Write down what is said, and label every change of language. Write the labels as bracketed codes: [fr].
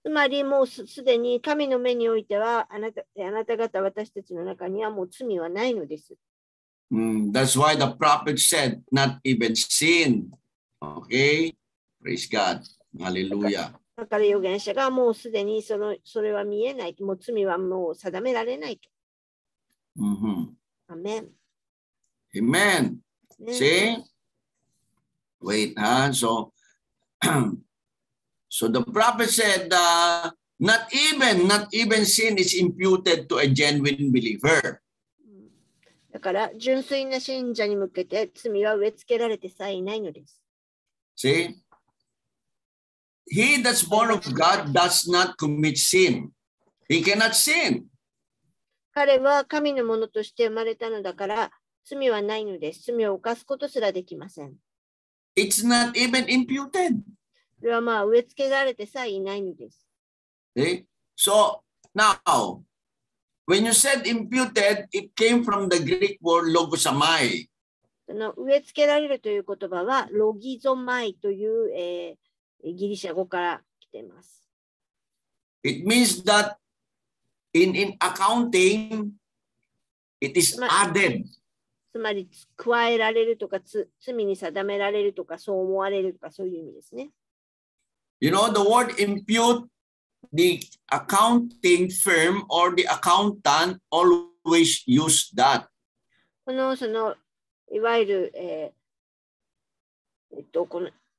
[ja] つまりもうすでに神の目においてはあなた方私たちの中にはもう罪はないのです。 [en] That's why the prophet said, not even sin. Okay, praise God, hallelujah. [ja] だから預言者がもうすでにそれは見えない、もう罪はもう定められないと。 Mm-hmm. [en] Amen. Amen. Amen. See? Wait, huh? So the prophet said, not even sin is imputed to a genuine believer. [ja] だから純粋な信者に向けて罪は植え付けられてさえいないのです。 [en] See, he that's born of God does not commit sin. He cannot sin. [ja] 彼は神のものとして生まれたのだから罪はないのです。罪を犯すことすらできません。 [en] It's not even imputed. [ja] それはまあ植え付けられてさえいないのです。 [en] See? So now, when you said imputed, it came from the Greek word logosamai. [ja] その植え付けられるという言葉はロギゾマイという、ギリシャ語から来ています。 [en] It means that in accounting, it is added. [ja] つまり加えられるとか罪に定められるとかそう思われるとかそういう意味ですね。 [en] You know, the word impute, the accounting firm or the accountant always use that. [ja] このそのいわゆる、この、